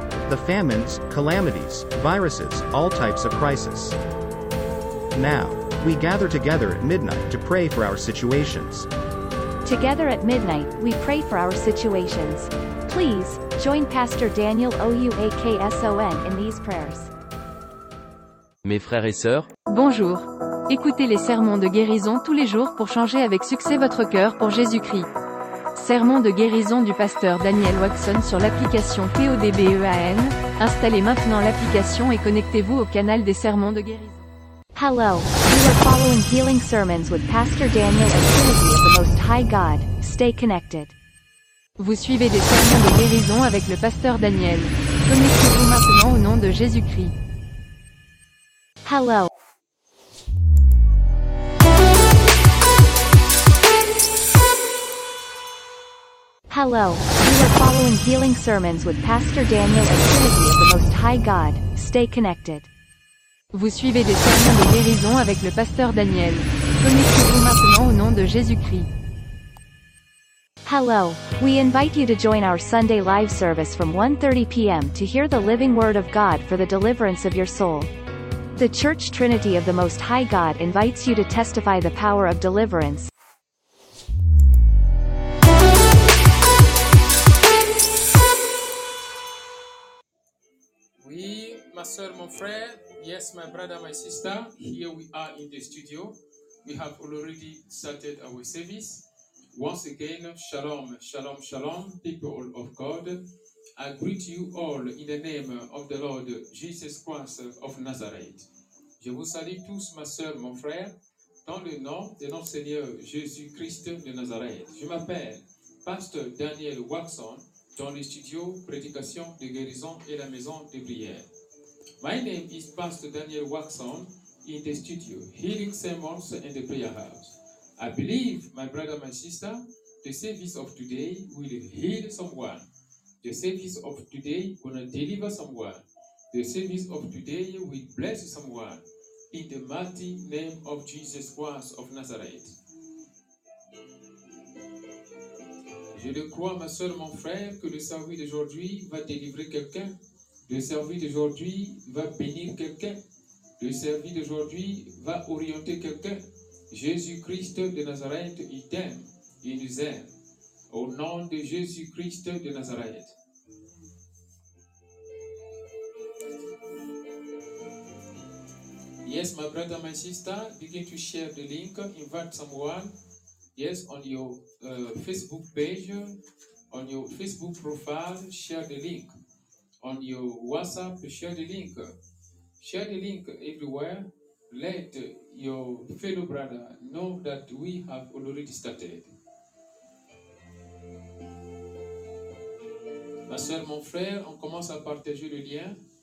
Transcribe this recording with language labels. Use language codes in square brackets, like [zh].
[en] The famines, calamities, viruses, all types of crisis. Now, we gather together at midnight to pray for our situations. Together at midnight, we pray for our situations. Please, join Pastor Daniel Ouakson in these prayers. [fr] Mes frères et sœurs, bonjour. Écoutez les sermons de guérison tous les jours pour changer avec succès votre cœur pour Jésus-Christ. Sermon de guérison du pasteur Daniel Watson sur l'application PODBEAN. Installez maintenant l'application et connectez-vous au canal des sermons de guérison. [en] Hello, you are following Healing Sermons with Pastor Daniel at Trinity of the Most High God. Stay connected. [fr] Vous suivez des sermons de guérison avec le pasteur Daniel. Connectez-vous maintenant au nom de Jésus-Christ. [en] Hello. Hello, you are following Healing Sermons with Pastor Daniel at Trinity of the Most High God. Stay connected. [fr] Vous suivez des sermons de guérison avec le pasteur Daniel. Connectez-vous maintenant au nom de Jésus-Christ. [en] Hello, we invite you to join our Sunday live service from 1:30 p.m. to hear the living word of God for the deliverance of your soul. The Church Trinity of the Most High God invites you to testify the power of deliverance. [fr] Oui, ma soeur, mon frère. [en] Yes, my brother, my sister. Here we are in the studio. We have already started our service. Once again, shalom, shalom, shalom, people of God. I greet you all in the name of the Lord Jesus Christ of Nazareth. [fr] Je vous salue tous, ma soeur, mon frère, dans le nom de notre Seigneur Jésus Christ de Nazareth. Je m'appelle Pasteur Daniel Watson. Dans les studios, prédication de guérison et la maison de prière. [en] My name is Pastor Daniel Watson in the studio, Healing Sermons and the Prayer House. I believe, my brother, my sister, the service of today will heal someone. The service of today will deliver someone. The service of today will bless someone. In the mighty name of Jesus Christ of Nazareth. [fr] Je le crois, ma soeur, mon frère, que le service d'aujourd'hui va délivrer quelqu'un. Le service d'aujourd'hui va bénir quelqu'un. Le service d'aujourd'hui va orienter quelqu'un. Jésus-Christ de Nazareth, il t'aime, il nous aime. Au nom de Jésus-Christ de Nazareth. [en] Yes, my brother, my sister, begin to share the link, invite someone. Yes, on your Facebook page, on your Facebook profile, share the link. On your WhatsApp, share the link. Share the link everywhere. Let your fellow brother know that we have already started. [fr] Ma soeur, mon frère, on commence à partager le lien.